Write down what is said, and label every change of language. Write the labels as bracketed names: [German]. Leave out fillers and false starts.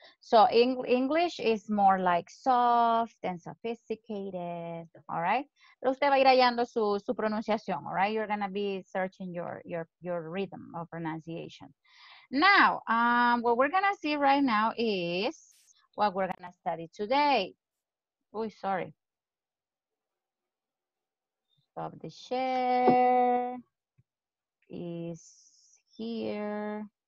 [English] So English is more like soft and sophisticated. [Spanish] All right, pero usted va a ir hallando su pronunciación. [English] All right, you're gonna be searching your rhythm of pronunciation. Now, what we're gonna see right now is what we're gonna study today. Oh, sorry. Stop the share. Is here.